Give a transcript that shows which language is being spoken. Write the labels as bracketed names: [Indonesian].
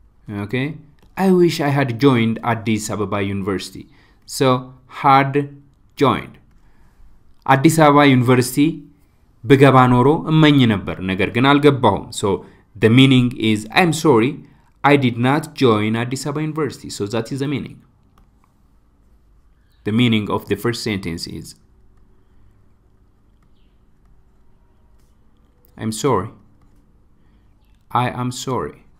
[English] Okay? I wish I had joined Addis Ababa University. So, had joined. [Amharic] Addis Ababa University ብገባ ኖሮ እመኝ ነበር ነገር ግን አልገባሁም. [English] So, the meaning is I'm sorry. I did not join Addis Ababa University. So that is the meaning. The meaning of the first sentence is I am sorry.